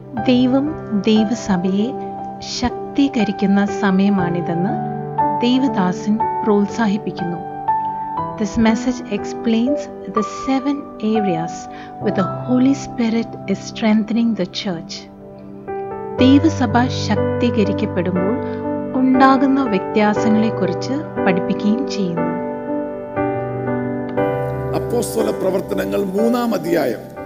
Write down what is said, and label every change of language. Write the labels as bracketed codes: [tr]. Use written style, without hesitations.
[ml] ദൈവം ദൈവസഭയെ ശക്തീകരിക്കുന്ന സമയമാണിതെന്ന് ദൈവദാസൻ പ്രോത്സാഹിപ്പിക്കുന്നു. [en] This message explains the seven areas where the Holy Spirit is strengthening the church. [ml] ദൈവസഭ ശക്തീകരിക്കപ്പെടുമ്പോൾ ഉണ്ടാകുന്ന വ്യത്യാസങ്ങളെക്കുറിച്ച് പഠിപ്പിക്കുകയും ചെയ്യുന്നു. അപ്പോസ്തല പ്രവർത്തനങ്ങൾ 3-ാം അധ്യായം.